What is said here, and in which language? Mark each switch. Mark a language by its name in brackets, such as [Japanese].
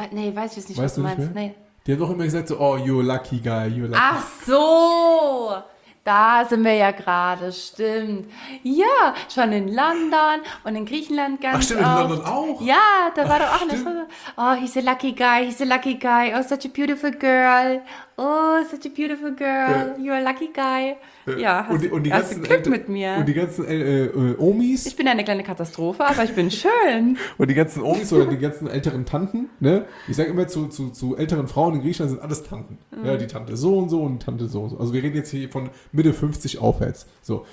[German] Nee, weiß ich jetzt nicht, weißt was du meinst. Nicht mehr? Nee. Die haben doch immer gesagt, so, oh, [English] you're lucky guy, you're lucky. [German] Ach so! Da sind wir ja gerade, stimmt. Ja, schon in London und in Griechenland ganz oft. Ach stimmt, in London auch? Ja, da war doch auch eine Schuss. [English] Oh, he's a lucky guy. Oh, such a beautiful girl. Oh, such a beautiful girl. You're a lucky guy. Ja, [German] hast du Glück mit mir. Und die ganzen Omis? Ich bin eine kleine Katastrophe, aber ich bin schön. Und die ganzen Omis oder die ganzen älteren Tanten, ne? Ich sage immer zu älteren Frauen in Griechenland sind alles Tanten. Mhm. Ja, die Tante so und so und Tante so und so. Also wir reden jetzt hier von Mitte 50 aufwärts. So.